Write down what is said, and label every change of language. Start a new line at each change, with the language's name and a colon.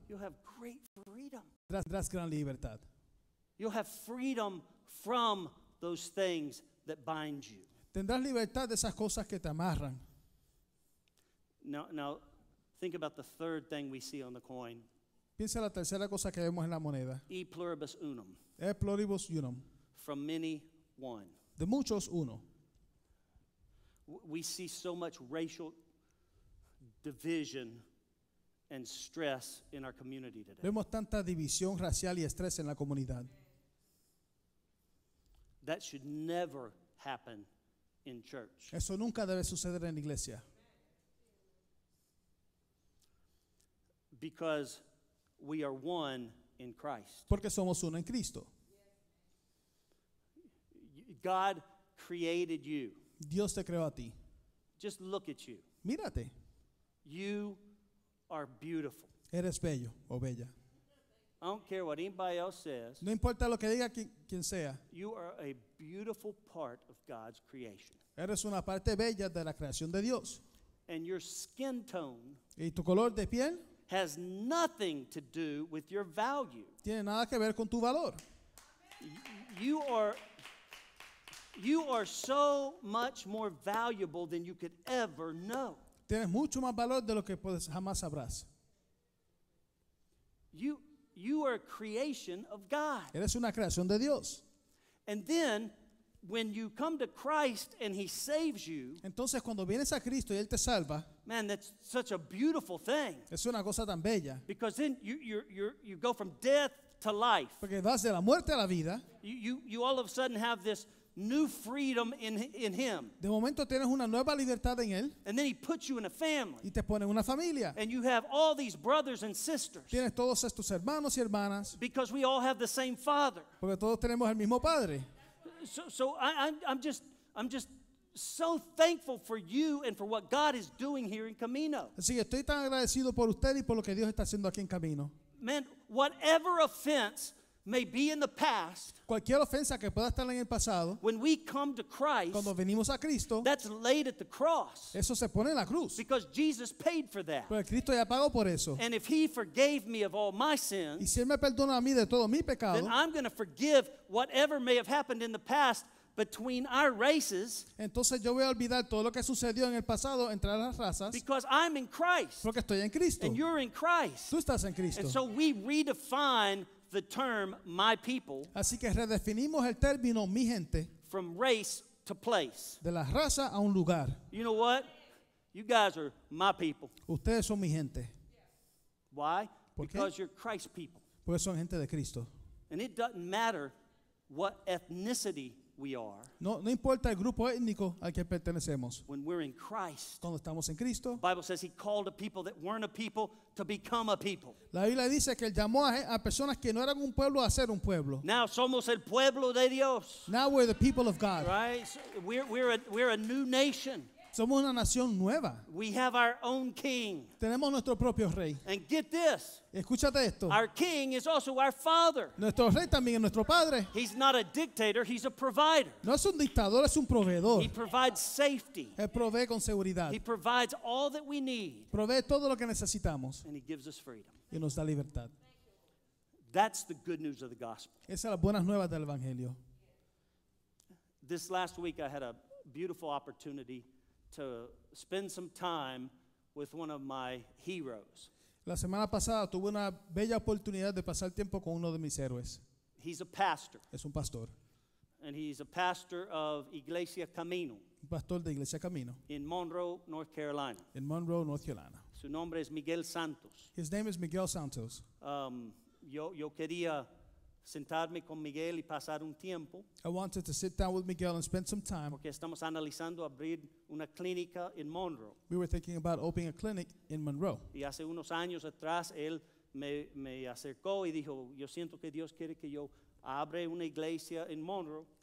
English: You'll have great freedom.
Spanish: Tendrás gran libertad.
English: You'll have freedom from those things that bind you.
Spanish: Tendrás libertad de esas cosas que te amarran.
English: Now think about the third thing we see on the coin.
Spanish: Piensa la tercera cosa que vemos en la moneda.
Latin: E pluribus unum. E pluribus unum.
English: From many, one.
Spanish: De muchos, uno.
English: We see so much racial division and stress in our community today.
Spanish: Vemos tanta división racial y estrés en la comunidad.
English: That should never happen in church.
Spanish: Eso nunca debe suceder en la iglesia.
English: Because we are one in Christ.
Spanish: Porque somos uno en Cristo.
English: God created you.
Spanish: Dios te creó a ti.
English: Just look at you.
Spanish: Mírate.
English: You are beautiful.
Spanish: Eres bello o bella.
English: I don't care what anybody else says.
Spanish: No importa lo que diga quien sea.
English: You are a beautiful part of God's creation.
Spanish: Eres una parte bella de la creación de Dios.
English: And your skin tone.
Spanish: Y tu color de piel.
English: Has nothing to do with your value.
Spanish: Tiene nada que ver con tu valor.
English: You are so much more valuable than you could ever know.
Spanish: Tienes mucho más valor de lo que puedes jamás sabrás.
English: You are a creation of God.
Spanish: Eres una creación de Dios.
English: And then when you come to Christ and He saves you.
Spanish: Entonces cuando vienes a Cristo y Él te salva.
English: Man, that's such a beautiful thing.
Spanish: Es una cosa tan bella.
English: Because then you go from death to life.
Spanish: Porque vas de la muerte a la vida.
English: You all of a sudden have this new freedom in Him.
Spanish: De momento tienes una nueva libertad en Él.
English: And then He puts you in a family.
Spanish: Y te pone en una familia.
English: And you have all these brothers and sisters.
Spanish: Tienes todos estos hermanos y hermanas.
English: Because we all have the same Father.
Spanish: Porque todos tenemos el mismo Padre.
English: So I'm just so thankful for you and for what God is doing here in Camino.
Spanish: Así que estoy tan agradecido por usted y por lo que Dios está haciendo aquí en Camino.
English: Man, whatever offense may be in the past.
Spanish: Cualquier ofensa que pueda estar en el pasado.
English: When we come to Christ.
Spanish: Cuando venimos a Cristo.
English: That's laid at the cross.
Spanish: Eso se pone en la cruz.
English: Because Jesus paid for that.
Spanish: Porque Cristo ya pagó por eso.
English: And if He forgave me of all my sins.
Spanish: Y si Él me perdona a mí de todo mi pecado.
English: Then I'm going to forgive whatever may have happened in the past between our races.
Spanish: Entonces yo voy a olvidar todo lo que sucedió en el pasado entre las razas.
English: Because I'm in Christ.
Spanish: Porque estoy en Cristo.
English: And you're in Christ.
Spanish: Tú estás en Cristo.
English: And so we redefine the term my people.
Spanish: Así que redefinimos el término mi gente.
English: From race to place.
Spanish: De la raza a un lugar.
English: You know what? You guys are my people.
Spanish: Ustedes son mi gente.
English: Why?
Spanish: ¿Por qué?
English: Because you're Christ's people.
Spanish: Porque son gente de Cristo.
English: And it doesn't matter what ethnicity we are.
Spanish: No importa el grupo étnico al que pertenecemos.
English: When we're in Christ.
Spanish: Cuando estamos en Cristo.
English: The Bible says He called a people that weren't a people to become a people.
Spanish: La Biblia dice que Él llamó a personas que no eran un pueblo a ser un pueblo. Now somos el pueblo de Dios.
English: Now we're the people of God. Right? So we're a new nation.
Spanish: Somos una nación nueva.
English: We have our own king.
Spanish: Tenemos nuestro propio rey.
English: And get this.
Spanish: Escúchate esto.
English: Our king is also our father.
Spanish: Nuestro rey también es nuestro padre.
English: He's not a dictator, he's a provider.
Spanish: No es un dictador, es un proveedor.
English: He provides safety.
Spanish: Él provee con seguridad.
English: He provides all that we need.
Spanish: Provee todo lo que necesitamos.
English: And He gives us freedom.
Spanish: Y nos da libertad.
English: That's the good news of the gospel.
Spanish: Esa es la buena nueva del evangelio.
English: This last week I had a beautiful opportunity to spend some time with one of my heroes.
Spanish: La semana pasada tuve una bella oportunidad de pasar tiempo con uno de mis héroes.
English: He's a pastor.
Spanish: Es un pastor.
English: And he's a pastor of Iglesia Camino.
Spanish: Pastor de Iglesia Camino.
English: In Monroe, North Carolina. In Monroe, North Carolina.
Spanish: Su nombre es Miguel Santos.
English: His name is Miguel Santos.
Spanish: Yo quería sentarme con Miguel y pasar un tiempo.
English: I wanted to sit down with Miguel and spend some time.
Spanish: Porque estamos analizando abrir una clínica en Monroe.
English: We were thinking about opening a clinic in Monroe.
Spanish: Y hace unos años atrás él me acercó y dijo, yo siento que Dios quiere que yo abra una iglesia en Monroe.